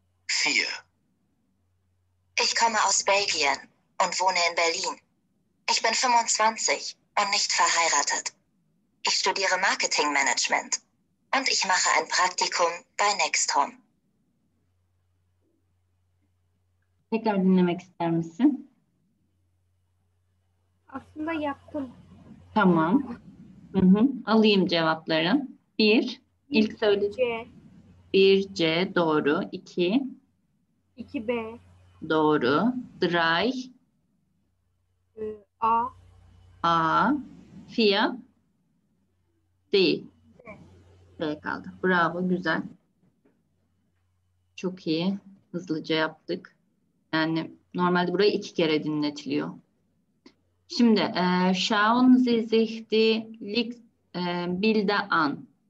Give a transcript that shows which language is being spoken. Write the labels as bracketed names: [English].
[German] 4. Ich komme aus Belgien und wohne in Berlin. Ich bin 25 und nicht verheiratet. Ich studiere Marketingmanagement und ich mache ein Praktikum bei Nexthome. [Turkish] Tekrar dinlemek ister misin? Aslında yaptım. Tamam. Hı-hı. Alayım cevapları. Bir, ilk söyledi. C. Bir C, doğru. İki. İki B. Doğru. Dry. A. A. Fia. Değil. B. B kaldı. Bravo, güzel. Çok iyi. Hızlıca yaptık. Yani normalde burayı iki kere dinletiliyor. [German] Şimdi Schauen Sie sich die Bilder an.